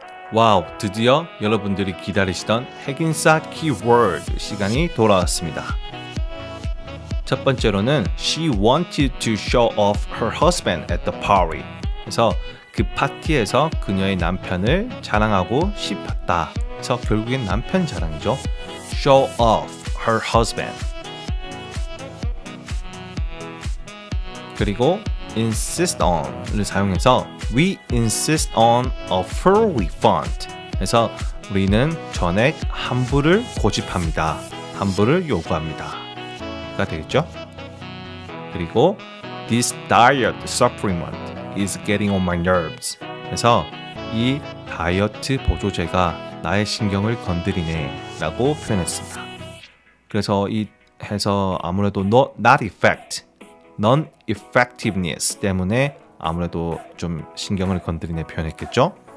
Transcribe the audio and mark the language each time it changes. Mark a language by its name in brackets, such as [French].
[Korean] 와우, 드디어 여러분들이 기다리시던 핵인싸 키워드 시간이 돌아왔습니다. [English] 첫 번째로는 She wanted to show off her husband at the party. [Korean] 그래서 그 파티에서 그녀의 남편을 자랑하고 싶었다. 그래서 결국엔 남편 자랑이죠. [English] Show off her husband. 그리고 insist on을 [Korean] 사용해서 [English] We insist on a full refund. [Korean] 그래서 우리는 전액 환불을 고집합니다. 환불을 요구합니다.가 되겠죠? [English] 그리고 this diet supplement is getting on my nerves. [Korean] 그래서 이 다이어트 보조제가 나의 신경을 건드리네라고 표현했습니다. 그래서 이 해서 아무래도 not effect, non-effectiveness 때문에 아무래도 좀 신경을 건드리네 표현했겠죠.